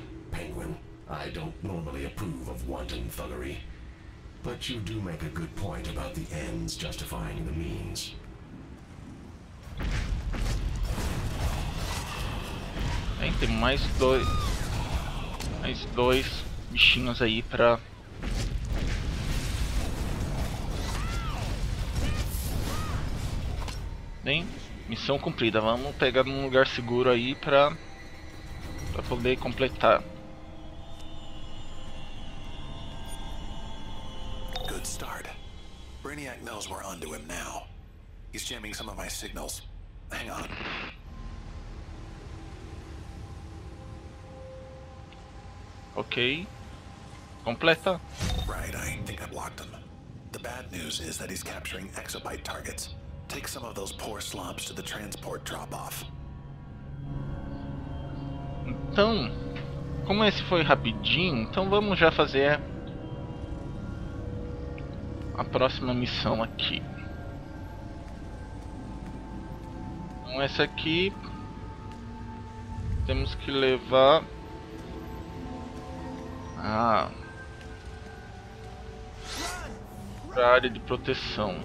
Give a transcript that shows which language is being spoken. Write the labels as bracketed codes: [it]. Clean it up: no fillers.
[en] Penguin, I don't normally approve of wanton thuggery, but you do make a good point about the ends justifying the means. [pt] Aí tem mais dois bichinhos aí pra bem, missão cumprida. Vamos pegar num lugar seguro aí pra poder completar. [en] Good start. Brainiac knows we're onto him now. He's jamming some of my signals. Hang on. Ok. [pt] Completa. [en] Right, I think I blocked him. The bad news is that he's capturing exobyte targets. Take some of those poor slobs to the transport drop-off. [pt] Então, como esse foi rapidinho, então vamos já fazer A próxima missão aqui. Então essa aqui temos que levar para a área de proteção.